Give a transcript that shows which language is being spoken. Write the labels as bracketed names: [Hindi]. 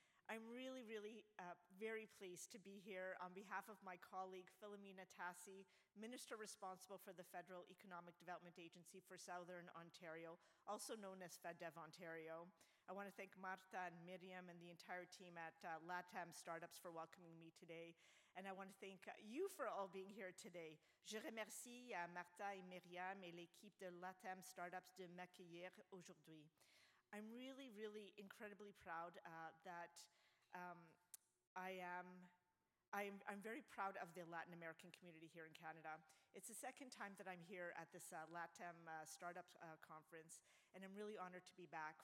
[English] I'm really, really very pleased to be here on behalf of my colleague, Philomena Tassi, Minister responsible for the Federal Economic Development Agency for Southern Ontario, also known as FedDev Ontario. I want to thank Martha and Miriam and the entire team at LATAM Startups for welcoming me today. And I want to thank you for all being here today. [French] Je remercie Martha et Miriam et l'équipe de LATAM Startups de m'accueillir aujourd'hui. [English] I'm really, really incredibly proud I'm very proud of the Latin American community here in Canada. It's the second time that I'm here at this LATAM Startup Conference, and I'm really honored to be back.